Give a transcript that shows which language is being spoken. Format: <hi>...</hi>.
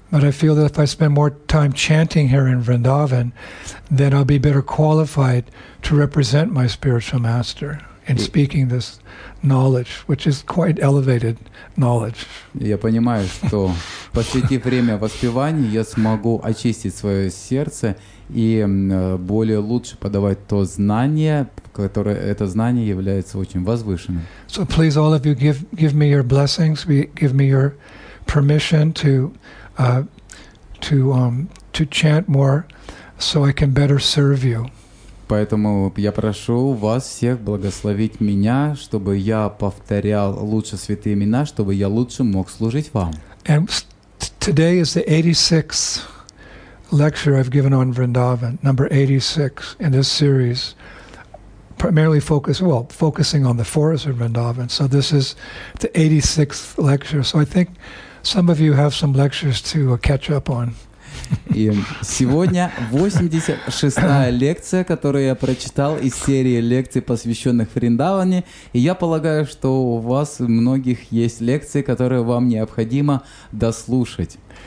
<en>But I feel that if I spend more time chanting here in Vrindavan, then I'll be better qualified to represent my spiritual master in speaking this knowledge, which is quite elevated knowledge.</en> <ru>Я понимаю, что посвятив время воспеванию, я смогу очистить свое сердце и более лучше подавать то знание, которое это знание является очень возвышенным.</ru> <en>So please, all of you, give me your blessings, give me your permission to chant more, so I can better serve you.</en> <ru>Поэтому я прошу вас всех благословить меня, чтобы я повторял лучше святые имена, чтобы я лучше мог служить вам.</ru> <en>And today is the 86th lecture I've given on Vrindavan, number 86 in this series, primarily focusing on the forest of Vrindavan. So this is the 86th lecture. So I think some of you have some lectures to catch up on.</en> <ru>И сегодня 86-я лекция, которую я прочитал из серии лекций, посвященных Вриндаване. И я полагаю, что у вас у многих есть лекции, которые вам необходимо дослушать.</ru>